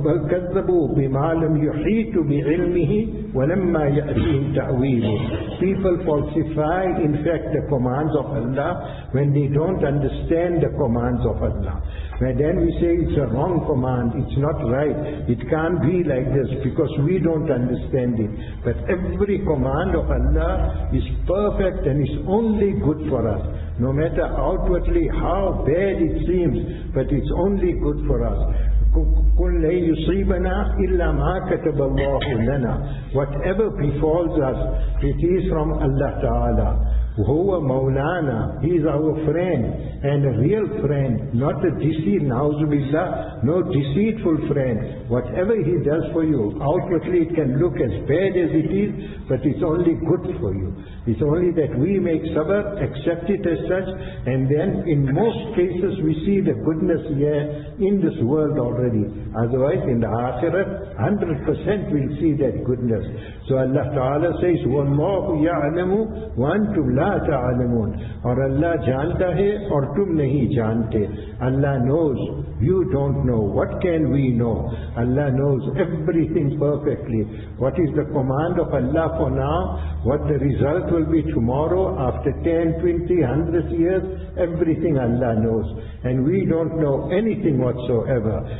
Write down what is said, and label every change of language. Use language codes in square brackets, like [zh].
[ar] كذبوا بما لم يحيط بعلمه ولما يأتيهم تأويله. [en] People falsify, in fact, the commands of Allah when they don't understand the commands of Allah. And then we say it's a wrong command, it's not right, it can't be like this because we don't understand it. But every command of Allah is perfect and is only good for us. No matter outwardly how bad it seems, but it's only good for us. [ar] قُلْ لَنْ يُصِيبَنَا إِلَّا مَا كَتَبَ اللَّهُ لَنَا. [en] Whatever befalls us, it is from Allah Ta'ala. [ar] هُوَ مَوْلَانَا. [en] He is our friend and a real friend, not a deceit, [ar] نَعُوذُ بِاللَّهِ, [en] no deceitful friend. Whatever he does for you, outwardly it can look as bad as it is, but it's only good for you. It's only that we make sabr, accept it as such, and then in most cases we see the goodness here in this world already. Otherwise in the akhirah, 100% we'll see that goodness. So Allah Ta'ala says, [ar] وَاللَّهُ يَعْلَمُ وَأَنْتُمْ لَا تَعْلَمُونَ. [hi] Or Allah janta hai, or tum nahi jante. [en] Allah knows, you don't know. What can we know? Allah knows everything perfectly. What is the command of Allah for now? What the result will be tomorrow, after 10, 20, 100 years? Everything Allah knows. And we don't know anything whatsoever.